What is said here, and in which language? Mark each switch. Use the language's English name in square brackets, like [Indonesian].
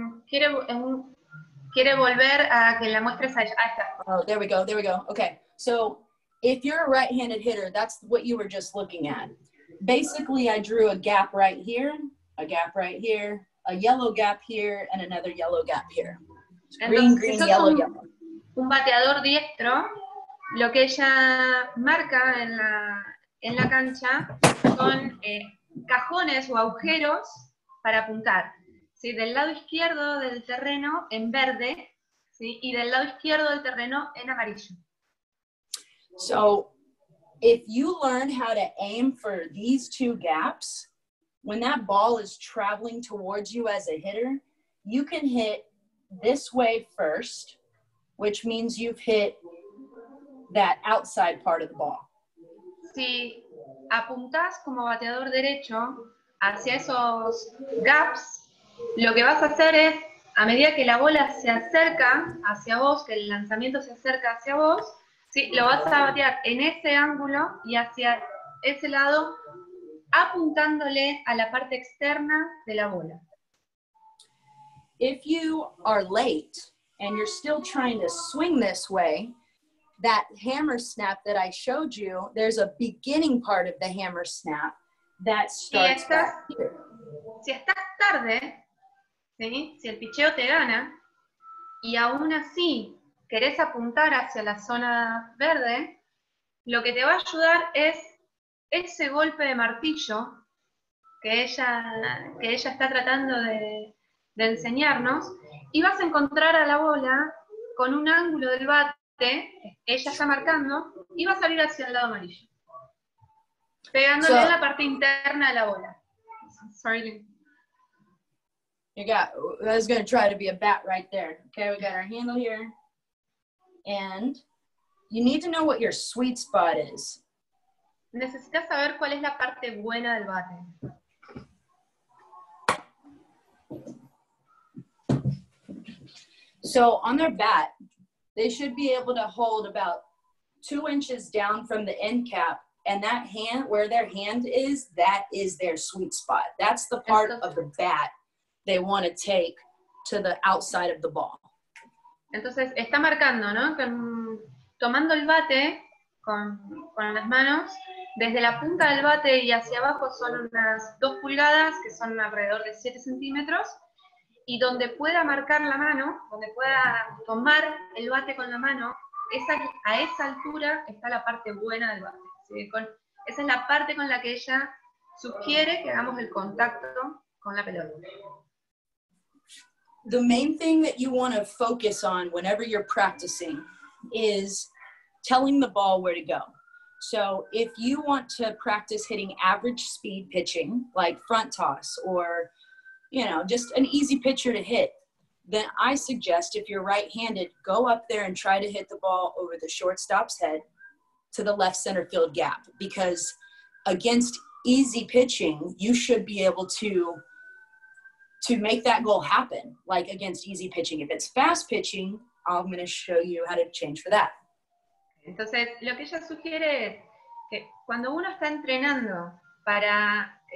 [Spanish] Quiere volver a que la muestres a ella. [English] Oh, there we go. Okay, so if you're a right-handed hitter, that's what you were just looking at. Basically, I drew a gap right here, a gap right here, a yellow gap here, and another yellow gap here. Green, yellow. [Spanish] Un bateador diestro, lo que ella marca en la cancha son cajones o agujeros para apuntar. ¿Sí? Del lado izquierdo del terreno en verde, ¿sí? Y del lado izquierdo del terreno en amarillo. [English] So, if you learn how to aim for these two gaps, when that ball is traveling towards you as a hitter, you can hit this way first, which means you've hit that outside part of the ball. [Spanish] Si apuntas como bateador derecho hacia esos gaps, lo que vas a hacer es, a medida que la bola se acerca hacia vos, que el lanzamiento se acerca hacia vos, ¿sí? Lo vas a batear en ese ángulo y hacia ese lado, apuntándole a la parte externa de la bola. [English] If you are late and you're still trying to swing this way, that hammer snap that I showed you, there's a beginning part of the hammer snap that starts back here. [Spanish] Si estás tarde, ¿sí? Si el picheo te gana y aún así querés apuntar hacia la zona verde, lo que te va a ayudar es ese golpe de martillo que ella está tratando de enseñarnos, y vas a encontrar a la bola con un ángulo del bate, ella está marcando, y va a salir hacia el lado amarillo, pegándole en la parte interna de la bola. [English] Sorry. I was going to try to be a bat right there. Okay, we got our handle here. And you need to know what your sweet spot is. [Spanish] Necesitas saber cuál es la parte buena del bate. [English] So on their bat, they should be able to hold about 2 inches down from the end cap, and that hand, where their hand is, that is their sweet spot. That's the part of the bat they want to take to the outside of the ball. [Spanish] Entonces, está marcando, ¿no? Tomando el bate con las manos, desde la punta del bate y hacia abajo son unas 2 pulgadas, que son alrededor de 7 centímetros, y donde pueda marcar la mano, donde pueda tomar el bate con la mano, a esa altura está la parte buena del bate. ¿Sí? Esa es la parte con la que ella sugiere que hagamos el contacto con la pelota. [English] The main thing that you want to focus on whenever you're practicing is telling the ball where to go. So if you want to practice hitting average speed pitching, like front toss or... you know, just an easy pitcher to hit, then I suggest if you're right-handed, go up there and try to hit the ball over the shortstop's head to the left center field gap, because against easy pitching, you should be able to make that goal happen, like against easy pitching. If it's fast pitching, I'm going to show you how to change for that. [Spanish] Entonces, lo que ella sugiere es que cuando uno está entrenando para...